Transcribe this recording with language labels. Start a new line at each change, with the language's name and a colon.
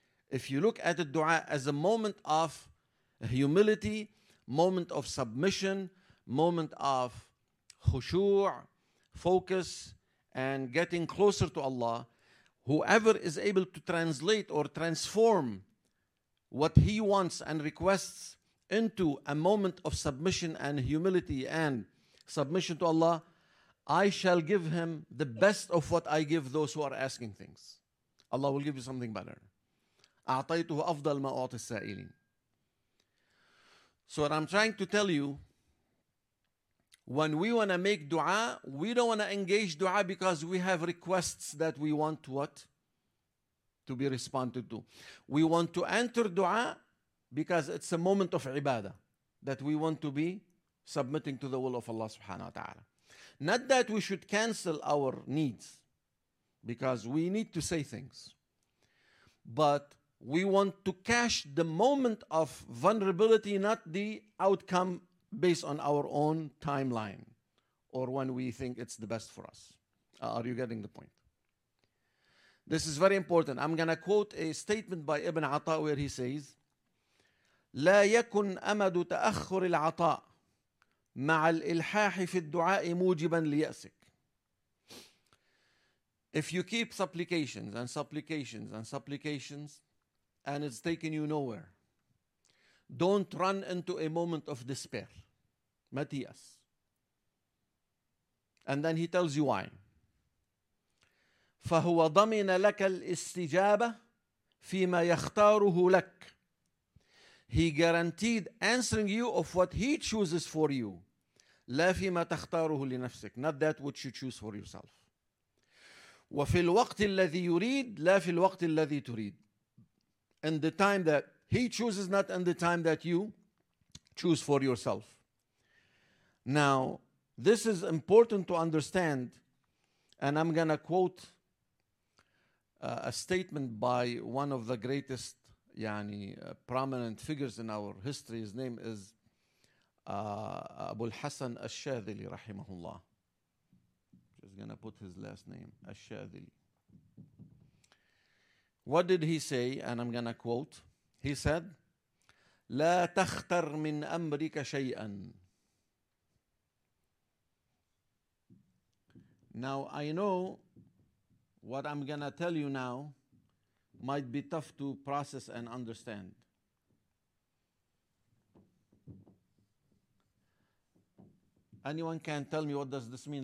English: if you look at the dua as a moment of humility, moment of submission, moment of khushu', focus, and getting closer to Allah, whoever is able to translate or transform what he wants and requests into a moment of submission and humility and submission to Allah, I shall give him the best of what I give those who are asking things. Allah will give you something better.
Arabic: أعطيته أفضل ما أعطي السائلين.
English: So what I'm trying to tell you, when we want to make dua, we don't want to engage dua because we have requests that we want what? To be responded to. We want to enter dua because it's a moment of ibadah that we want to be submitting to the will of Allah subhanahu wa ta'ala. Not that we should cancel our needs because we need to say things, but we want to cash the moment of vulnerability, not the outcome based on our own timeline or when we think it's the best for us. Are you getting the point? This is very important. I'm going to quote a statement by Ibn Ata where he says,
Arabic: لا يكن أمد تأخر العطاء مع الإلحاح في الدعاء موجبا ليأسك.
English: If you keep supplications and supplications and supplications, and it's taking you nowhere, don't run into a moment of despair. Matthias. And then he tells you why.
Arabic: فهو ضمن لك الاستجابة فيما يختاره لك.
English: He guaranteed answering you of what he chooses for you.
Arabic: لا فيما تختاره لنفسك.
English: Not that which you choose for yourself.
Arabic: وفي الوقت الذي يريد لا في الوقت الذي تريد.
English: In the time that he chooses, not in the time that you choose for yourself. Now, this is important to understand, and I'm going to quote a statement by one of the greatest prominent figures in our history. His name is Abu al-Hasan al-Shadhili rahimahullah. Just going to put his last name, al-Shadhili. What did he say? And I'm going to quote. He said,
Arabic: لا تختر من أمرك شيئا.
English: Now I know what I'm going to tell you now might be tough to process and understand. Anyone can tell me what does this mean?